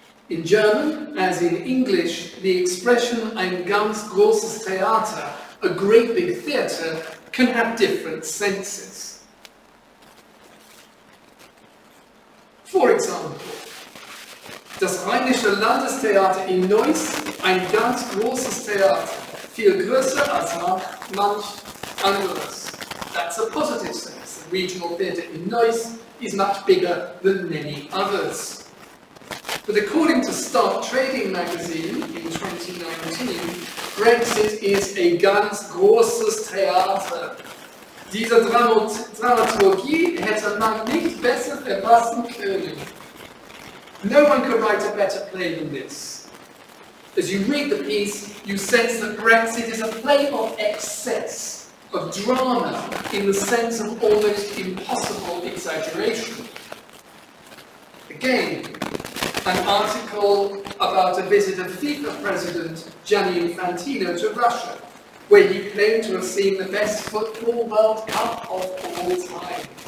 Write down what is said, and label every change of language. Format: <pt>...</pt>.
<en>In German, as in English, the expression</en> <de>ein ganz großes Theater,</de> <en>a great big theater, can have different senses. For example,</en> <de>das Rheinische Landestheater in Neuss, ein ganz großes Theater, viel größer als manch anderes.</de> <en>That's a positive sense. The regional theater in Neuss is much bigger than many others. But according to Start Trading magazine in 2019, Brexit is a</en> <de>ganz großes Theater. Diese Dramaturgie hätte man nicht besser erfassen können.</de> <en>No one could write a better play than this. As you read the piece, you sense that Brexit is a play of excess, of drama, in the sense of almost impossible exaggeration. Again, an article about a visit of FIFA president Gianni Infantino to Russia, where he claimed to have seen the best football World Cup of all time.</en>